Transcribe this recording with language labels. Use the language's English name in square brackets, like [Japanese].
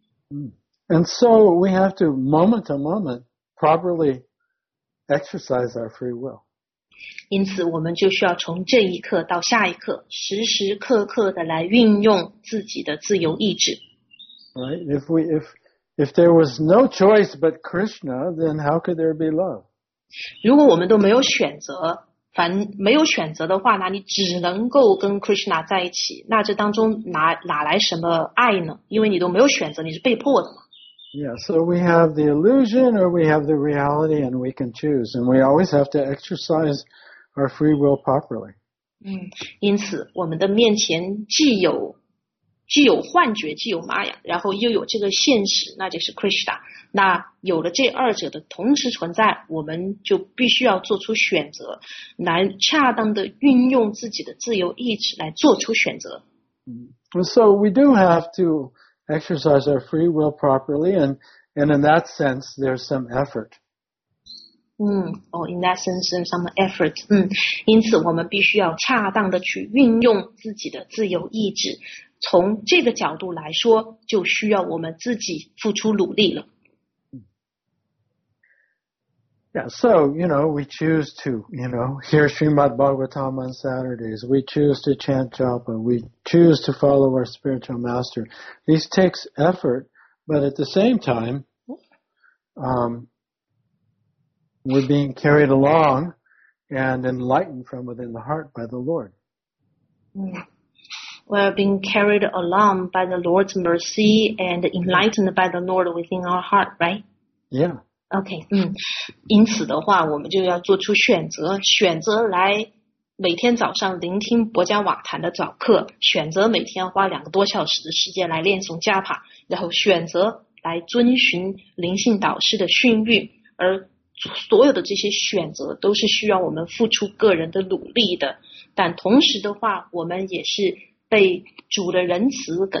[English] And so we have to moment to moment properly exercise our free will. [Chinese] 因此我们就需要从这一刻到下一刻时时刻刻的来运用自己的自由意志。 [English] Right. If there was no choice but Krishna, then how could there be love? [Chinese] 如果我们都没有选择，凡没有选择的话，那你只能够跟 Krishna 在一起，那这当中哪来什么爱呢？因为你都没有选择，你是被迫的嘛。 [English] Yeah. So we have the illusion, or we have the reality, and we can choose. And we always have to exercise our free will properly. [Chinese] 因此我们的面前既有幻觉，既有玛雅，然后又有这个现实，那就是 Krishna。那有了这二者的同时存在，我们就必须要做出选择，来恰当的运用自己的自由意志来做出选择。 [English] So we do have to exercise our free will properly, and in that sense there's some effort. In that sense there's some effort. [Chinese] 因此我们必须要恰当的去运用自己的自由意志，从这个角度来说，就需要我们自己付出努力了。 [English] Yeah, so, you know, we choose to, you know, hear Srimad Bhagavatam on Saturdays. We choose to chant japa. We choose to follow our spiritual master. This takes effort, but at the same time, we're being carried along and enlightened from within the heart by the Lord. We're being carried along by the Lord's mercy and enlightened by the Lord within our heart, right? Yeah. Okay. [Chinese] 因此的话，我们就要做出选择，选择来每天早上聆听博迦瓦坛的早课，选择每天花两个多小时的时间来练诵加帕，然后选择来遵循灵性导师的训谕，而所有的这些选择都是需要我们付出个人的努力的，但同时的话，我们也是被主的仁慈